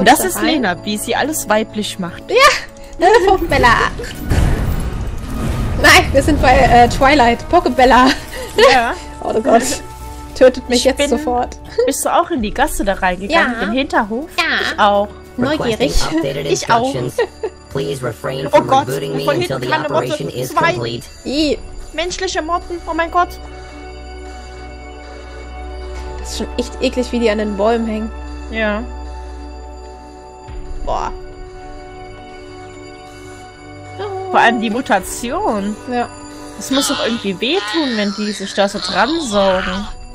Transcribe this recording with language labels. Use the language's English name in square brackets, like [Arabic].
[German] Und das ist Lena, wie sie alles weiblich macht. Ja, meine Pokebella. Nein, wir sind bei Twilight. Pokebella. Ja. Oh, oh Gott. Tötet mich jetzt sofort. Bist du auch in die Gasse da reingegangen? Ja. Im Hinterhof? Ja. Ich auch. Neugierig. Ich auch. [English] Please refrain from rebooting me until the operation is complete. [German] Menschliche Motten, oh mein Gott. Das ist schon echt eklig, wie die an den Bäumen hängen. Ja. Boah. Oh. Vor allem die Mutation. Ja. Das muss doch irgendwie wehtun, wenn die sich da so dran saugen.